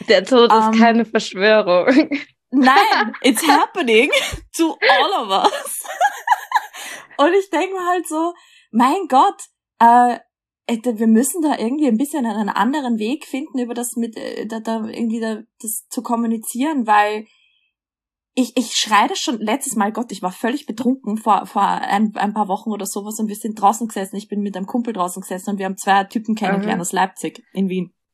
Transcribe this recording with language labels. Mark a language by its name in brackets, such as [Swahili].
[German] der Tod ist keine Verschwörung. Nein, [English] it's happening to all of us. [German] Und ich denke mir halt so, mein Gott, wir müssen da irgendwie ein bisschen einen anderen Weg finden, über das mit das zu kommunizieren, weil ich schreie das schon letztes Mal, Gott, ich war völlig betrunken vor ein paar Wochen oder sowas, und wir sind draußen gesessen, ich bin mit einem Kumpel draußen gesessen und wir haben zwei Typen kennengelernt aus Leipzig in Wien.